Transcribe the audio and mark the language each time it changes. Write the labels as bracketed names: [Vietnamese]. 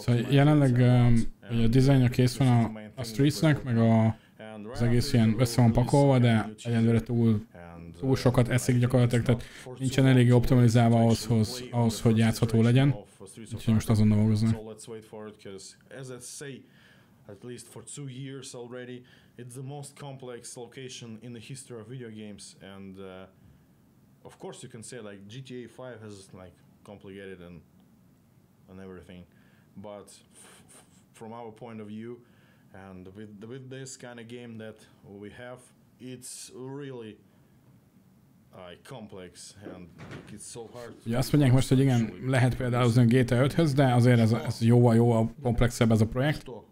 [Hungarian] So jelenleg a designer kész van a streetsnek, meg az egész ilyen össze van pakolva, de egyelőre túl sokat eszik gyakorlatilag, tehát nincsen eléggé optimalizálva ahhoz, hogy játszható legyen. Úgyhogy most azon dolgoznak. [English] So let's wait for it, because as I say, at least for 2 years already, it's the most complex location in the history of video games, and of course you can say like GTA 5 has like complicated and everything, but from our point of view, and with this kind of game that we have, it's really complex and it's so hard. [Hungarian] Ja, azt mondják most, hogy igen, lehet például az GTA 5-höz, de azért ez jóval komplexebb ez a projekt.